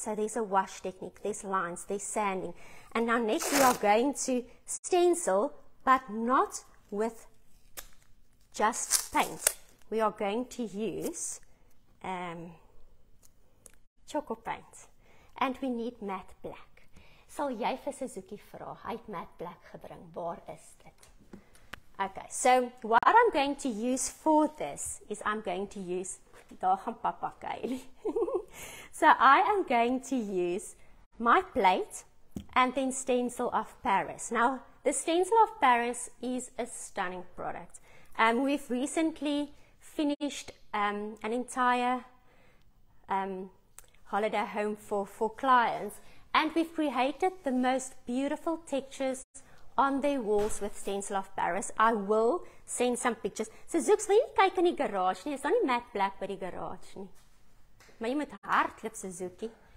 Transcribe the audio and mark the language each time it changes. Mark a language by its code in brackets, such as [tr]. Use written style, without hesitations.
[en] So there's a wash technique, there's lines, there's sanding, and now next we are going to stencil, but not with just paint. We are going to use Tjhoko paint, and we need matte black. [af] Sal jy vir Suzuki vra, hy het matte black gebring, waar is dit? [en] Okay, so what I'm going to use for this is I'm going to use, [af] daar gaan papa kuil. [en] So I am going to use my plate and then Stencil of Paris. Now, the Stencil of Paris is a stunning product. We've recently finished an entire holiday home for clients. And we've created the most beautiful textures on their walls with Stencil of Paris. I will send some pictures. [af] So Zoeks, wil jy kyk in die garage nie? Is daar nie matte black by die garage nie? Maar jy moet hardloop, Suzuki.